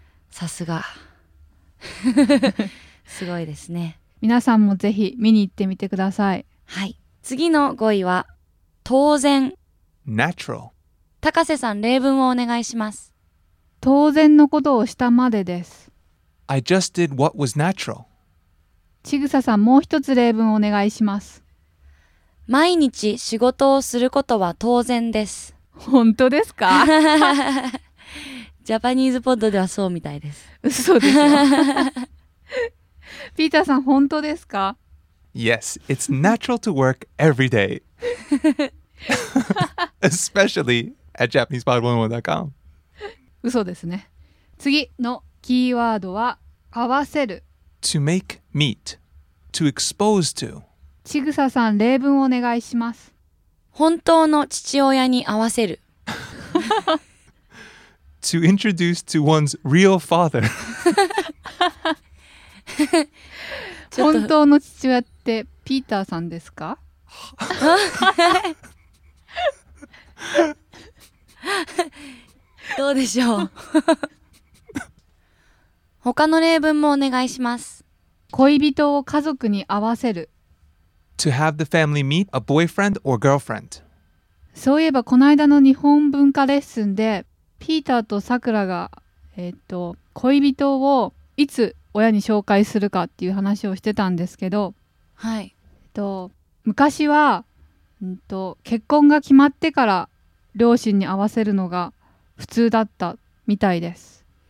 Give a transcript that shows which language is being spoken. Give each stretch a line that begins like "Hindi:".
Japanese: さすがすごいですね。皆さんもぜひ見に行ってみてください。はい、次の語彙は当然。
English: Natural.
Japanese: 高瀬さん、例文をお願いします。当然のことをしたまでです。
English: I just did what was natural.
Japanese: ちぐささん、もう一つ例文をお願いします。毎日仕事をすることは当然です。本当ですか？ジャパニーズポッドではそうみたいです。嘘でしょ。ピーターさん、本当ですか?
English: Yes, it's natural to work every day. Especially at JapanesePod101.com.
Japanese: 嘘ですね。次のキーワードは合わせる。
English: To make meet. To expose to.
Japanese: ちぐささん、例文をお願いします。本当の父親に合わせる。
English: To introduce to one's real father.
Japanese: 本当の父親ってピーターさんですか？どうでしょう。他の例文もお願いします。恋人を家族に合わせる。
English: To have the family meet a boyfriend or girlfriend.
Japanese: そういえばこの間の日本文化レッスンでピーターとさくらが恋人をいつ親に紹介するかっていう話をしてたんですけど、はい、昔は、結婚が決まってから両親に会わせるのが普通だったみたいです。